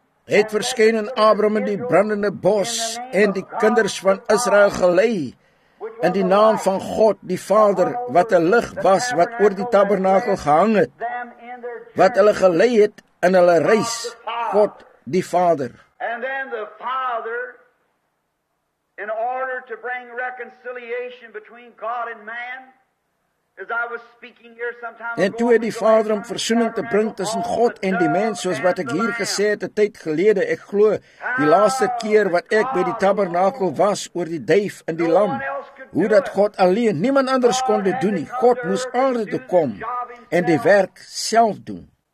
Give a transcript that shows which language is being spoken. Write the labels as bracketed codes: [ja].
[af] Hy het verskyn in Abraham in die brandende bos, en die kinders van Israel gelei in die naam van God, die Vader, wat 'n lig was, wat oor die tabernakel gehang het, wat hulle gelei het in hulle reis, God die Vader. [en] And then the Father, in order to bring reconciliation between God and man, as I was speaking here sometime ago, [af] en toe het die Vader om versoening te bring tussen God en die mens, soos wat ek hier gesê het, 'n tyd gelede, ek glo, die laaste keer wat ek by die tabernakel was, oor die duif en die lam, hoe dat God alleen, niemand anders kon dit doen nie, God moes aarde toe kom, en die werk self doen.